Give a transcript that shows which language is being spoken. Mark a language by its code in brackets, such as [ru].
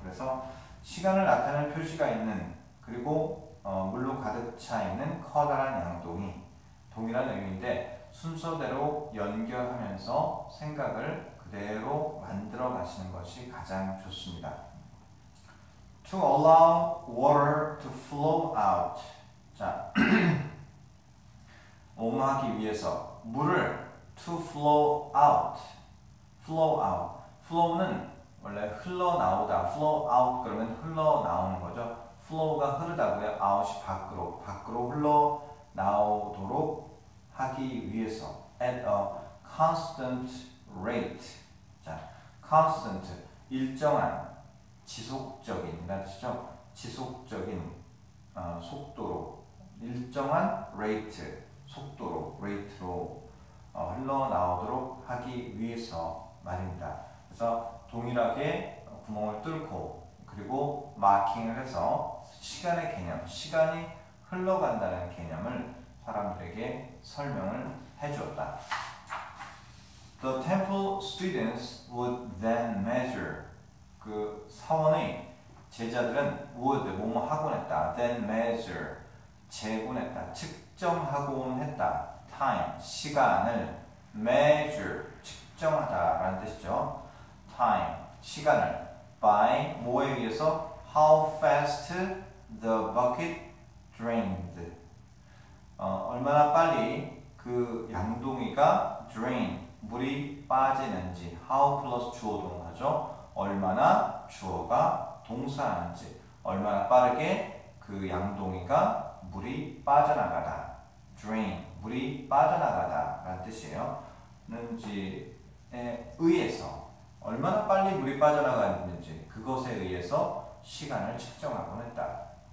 [ko] 그래서 시간을 나타내는 표시가 있는 그리고 물로 가득 차 있는 커다란 양동이 동일한 의미인데 순서대로 연결하면서 하면서 생각을 그대로 만들어 가시는 것이 가장 좋습니다. [en] To allow water to flow out. [ko] 자, 옹호하기 위해서 물을 [en] to flow out. Flow out. [ko] Flow는 원래 흘러나오다. Flow out 그러면 흘러나오는 거죠. Flow가 흐르다고요. Out이 밖으로. 밖으로 흘러나오도록 하기 위해서. [en] At a constant rate. 자, constant. [ko] 일정한. 지속적인, 맞죠? 지속적인 속도로, 일정한 rate, 속도로, rate로 흘러나오도록 하기 위해서 말입니다. 그래서 동일하게 구멍을 뚫고 그리고 마킹을 해서 시간의 개념, 시간이 흘러간다는 개념을 사람들에게 설명을 해주었다. [en] The temple students would then measure. [ko] 그 사원의 제자들은 would, 뭐뭐 하곤 했다. then measure, 재곤 했다. 측정하곤 했다. time, 시간을 measure, 측정하다 라는 뜻이죠. [en] time, [ko] 시간을 [en] by, [ko] 뭐에 의해서 [en] how fast the bucket drained. [ko] 얼마나 빨리 그 양동이가 drain, 물이 빠지는지 how plus 주어 동사죠. 얼마나 주어가 동사하는지 얼마나 빠르게 그 양동이가 물이 빠져나가다 drain 물이 빠져나가다 라는 뜻이에요 는지에 의해서 얼마나 빨리 물이 빠져나가는지 그것에 의해서 시간을 측정하곤 했다